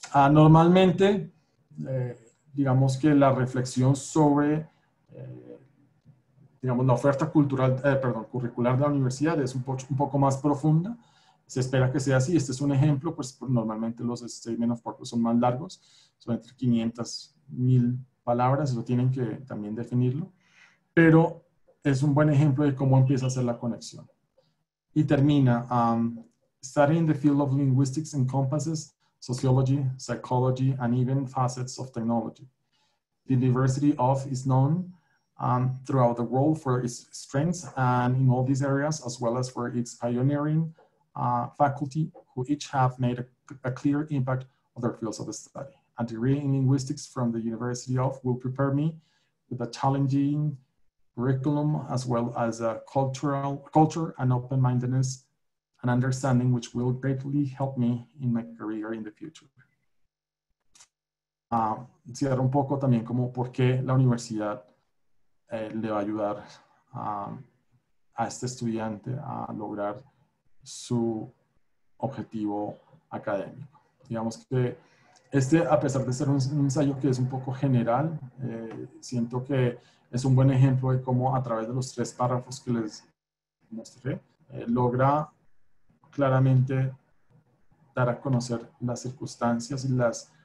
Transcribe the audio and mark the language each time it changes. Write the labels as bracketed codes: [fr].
[es] Normalmente, digamos que la reflexión sobre digamos, la oferta cultural, curricular de la universidad es un poco más profunda. Se espera que sea así. Este es un ejemplo, pues normalmente los statements of purpose son más largos, son entre 500, 1000 palabras, eso tienen que también definirlo. Pero es un buen ejemplo de cómo empieza a hacer la conexión. Y termina, [en] studying the field of linguistics encompasses sociology, psychology, and even facets of technology. The University of is known throughout the world for its strengths and in all these areas, as well as for its pioneering faculty who each have made a clear impact on their fields of study. A degree in linguistics from the University of will prepare me with a challenging curriculum as well as a culture and open-mindedness and understanding which will greatly help me in my career in the future. [es] Cierro un poco también como por qué la universidad le va a ayudar a este estudiante a lograr su objetivo académico. Digamos que este, a pesar de ser un ensayo que es un poco general, siento que es un buen ejemplo de cómo a través de los tres párrafos que les mostré, logra claramente dar a conocer las circunstancias y las